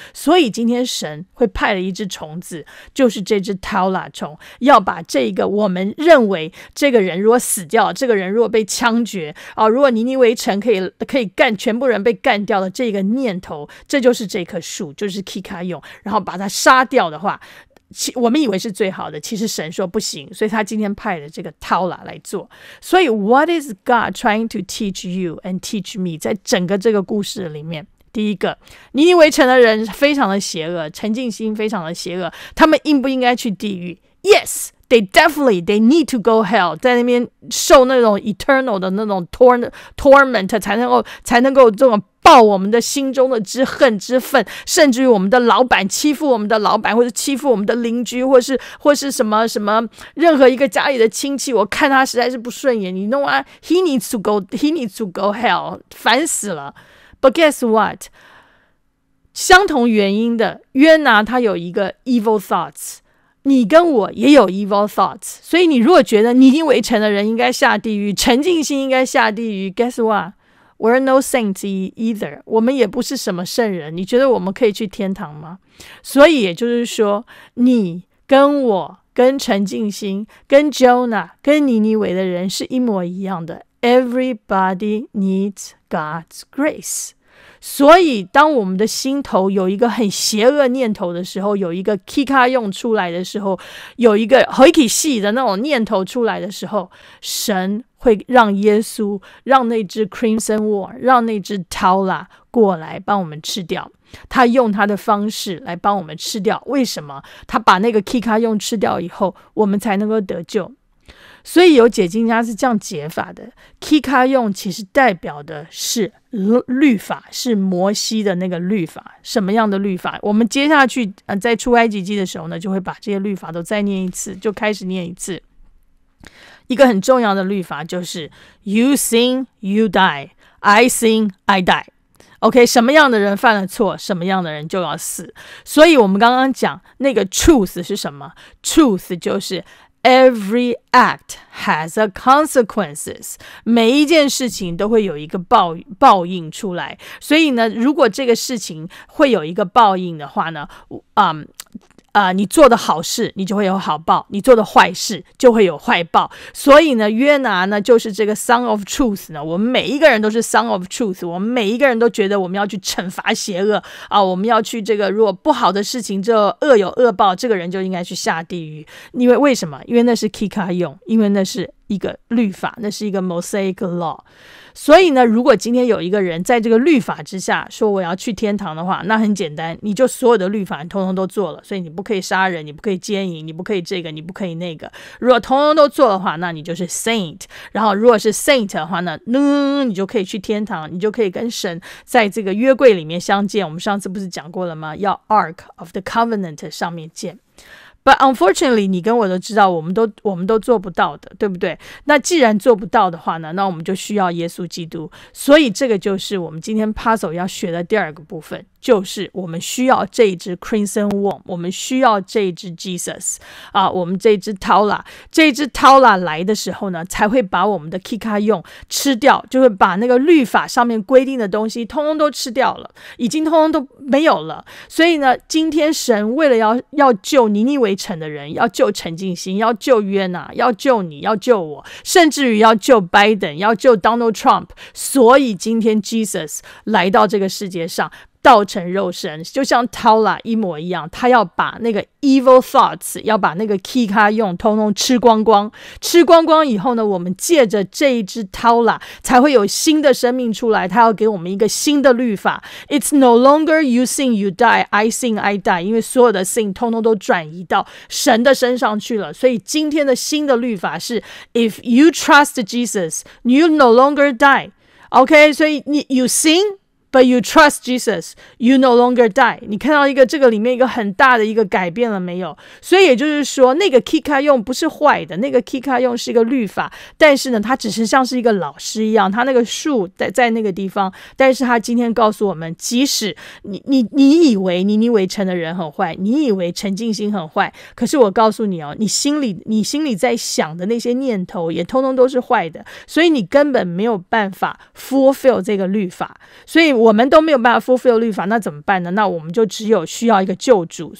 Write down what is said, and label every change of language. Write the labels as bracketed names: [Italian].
[Chinese] 所以今天神会派了一只虫子，就是这只 Taula 虫，要把这个我们认为这个人如果死掉，这个人如果被枪决啊，如果尼尼微城可以干全部人被干掉的这个念头，这就是这棵树，就是 Kikayo， 然后把它杀掉的话，我们以为是最好的，其实神说不行，所以他今天派了这个 Tala 来做。所以 [English] What is God trying to teach you and teach me? [Chinese] 在整个这个故事里面，第一个，尼尼微城的人非常的邪恶，沉浸心非常的邪恶，他们应不应该去地狱？ [English] Yes, they definitely, they need to go hell, [Chinese] 在那边受那种 eternal 的那种 torment, 才能够这种报我们的心中的之恨之愤，甚至于我们的老板欺负我们的老板，或者欺负我们的邻居，或是什么什么任何一个家里的亲戚，我看他实在是不顺眼。 [English] You know what? He needs to go hell, [Chinese] 烦死了。 [English] But guess what? [Chinese] 相同原因的约拿，他有一个 evil thoughts。你跟我也有 evil thoughts。所以你如果觉得尼尼微城的人应该下地狱，沉浸心应该下地狱 ， [English] guess what? We're no saints either. [Chinese] 我们也不是什么圣人。你觉得我们可以去天堂吗？所以也就是说，你跟我、跟陈静心、跟 Jonah、跟尼尼微的人是一模一样的。 [English] Everybody needs God's grace. [Chinese] 所以，当我们的心头有一个很邪恶念头的时候，有一个 kika 用出来的时候，有一个 hoiki 系的那种念头出来的时候，神会让耶稣，让那只 Crimson War, 让那只 Tala 过来帮我们吃掉。他用他的方式来帮我们吃掉。为什么？他把那个 Kika 用吃掉以后，我们才能够得救。所以有解经家是这样解法的， Kika 用其实代表的是律法，是摩西的那个律法。什么样的律法？我们接下去在出埃及记的时候呢，就会把这些律法都再念一次，就开始念一次。一个很重要的律法就是 [English] You sin, you die. I sin, I die. [Chinese] OK, 什么样的人犯了错，什么样的人就要死。所以我们刚刚讲那个 truth 是什么？ [English] Truth [Chinese] 就是 [English] Every act has a consequences. [Chinese] 每一件事情都会有一个 报应出来。所以呢，如果这个事情会有一个报应的话呢，你做的好事你就会有好报，你做的坏事就会有坏报。所以呢，约拿呢就是这个 Son of Truth 呢，我们每一个人都是 Son of Truth, 我们每一个人都觉得我们要去惩罚邪恶啊，我们要去这个，如果不好的事情就恶有恶报，这个人就应该去下地狱。因为为什么？因为那是 Kika 用，因为那是一个律法，那是一个 Mosaic Law。所以呢，如果今天有一个人在这个律法之下说我要去天堂的话，那很简单，你就所有的律法你通通都做了，所以你不可以杀人，你不可以奸淫，你不可以这个，你不可以那个。如果通通都做的话，那你就是 saint。然后如果是 saint 的话呢，你就可以去天堂，你就可以跟神在这个约柜里面相见。我们上次不是讲过了吗？要 Ark of the Covenant 上面见。 [English] But unfortunately, [Chinese] 你跟我都知道我们都做不到的，对不对？那既然做不到的话呢，那我们就需要耶稣基督。所以这个就是我们今天 Puzzle 要学的第二个部分，就是我们需要这一只 Crimson Worm, 我们需要这一只 Jesus, 啊，我们这一只 Tala, 这一只 Tala 来的时候呢，才会把我们的 Kika 用吃掉，就会把那个律法上面规定的东西通通都吃掉了，已经通通都没有了。所以呢，今天神为了要救尼尼微城的人，要救陈静心，要救约拿，要救你，要救我，甚至于要救 Biden, 要救 Donald Trump, 所以今天 Jesus 来到这个世界上道成肉身，就像 Tala 一模一样，他要把那个 evil thoughts, 要把那个 Kika 用通通吃光光。吃光光以后呢，我们借着这一只 Tala 才会有新的生命出来，他要给我们一个新的律法。 [English] It's no longer you sin you die, I sin I die, [Chinese] 因为所有的 sin 通通都转移到神的身上去了。所以今天的新的律法是 [English] If you trust Jesus, you no longer die. OK, [Chinese] 所以你 [English] you sinBut you trust Jesus, you no longer die. [Chinese] 你看到一个这个里面一个很大的一个改变了没有？所以也就是说，那个 Kika 用不是坏的，那个 Kika 用是一个律法，但是呢，它只是像是一个老师一样，它那个树 在那个地方，但是它今天告诉我们，即使 你以为尼尼微城的人很坏，你以为陈静心很坏，可是我告诉你哦，你心里在想的那些念头也通通都是坏的，所以你根本没有办法 fulfill 这个律法，所以我们都没有办法 fulfill 律法，那怎么办呢？那我们就只有需要一个救主。